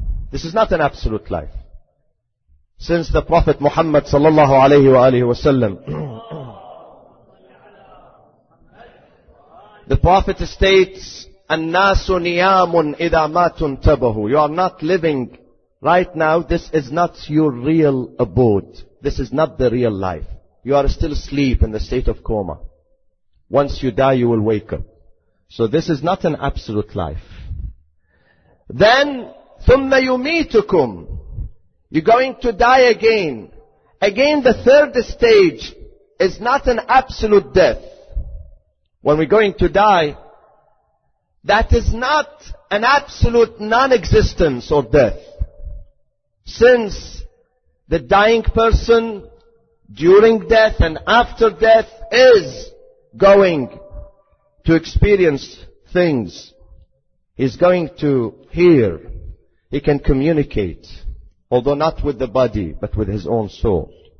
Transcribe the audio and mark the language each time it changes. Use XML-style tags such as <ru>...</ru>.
<en>This is not an absolute life. Since the Prophet Muhammad sallallahu alayhi wa alayhi wa sallam, the Prophet states,</en> <ar>النَّاسُ نِيَامٌ إِذَا مَا تُنْتَبَهُ.</ar> <en>You are not living right now. This is not your real abode. This is not the real life. You are still asleep in the state of coma. Once you die, you will wake up. So this is not an absolute life. Then,</en> <ar>ثُمَّ يُمِيتُكُمْ.</ar> <en>You're going to die again. Again, the third stage is not an absolute death. When we're going to die, that is not an absolute non-existence or death. Since the dying person during death and after death is going to experience things, he's going to hear, he can communicate, although not with the body, but with his own soul.</en>